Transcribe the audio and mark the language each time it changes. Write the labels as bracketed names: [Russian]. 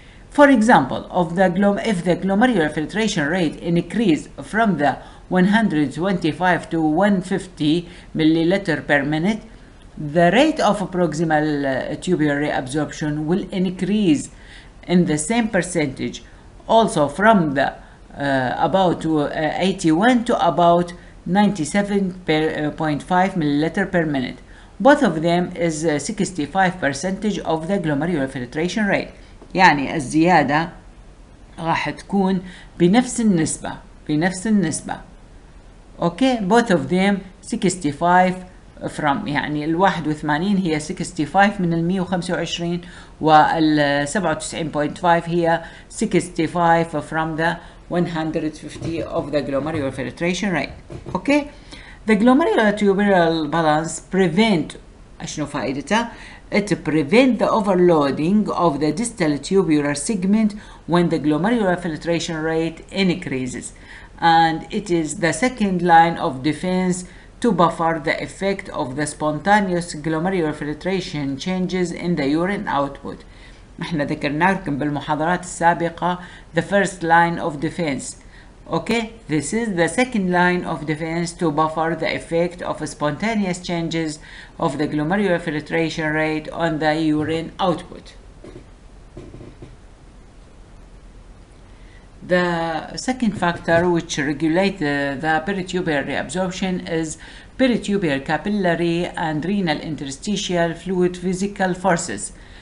[English] For example, if the glomerular filtration rate increase from the 125 to 150 milliliter per minute, the rate of proximal tubular reabsorption will increase in the same percentage, also from the about 81 to about 97.5 milliliter per minute. Both of them is 65% of the glomerular filtration rate. [Arabic] يعني الزيادة راح تكون بنفس النسبة. [English] Okay, both of them 65 from [Arabic] يعني 81 هي 65 [English] من 125 وال 97.5 هي 65 from the 150 of the glomerular filtration rate. Okay, the glomerular tubular balance prevent [Arabic] شنو فائدته؟ [English] It prevents the overloading of the distal tubular segment when the glomerular filtration rate increases. And it is the second line of defense to buffer the effect of the spontaneous glomerular filtration changes in the urine output. [Arabic] احنا ذكرناكم بالمحاضرات السابقة [English] the first line of defense. Okay, this is the second line of defense to buffer the effect of spontaneous changes of the glomerular filtration rate on the urine output. The second factor which regulates the peritubular reabsorption is peritubular capillary and renal interstitial fluid physical forces.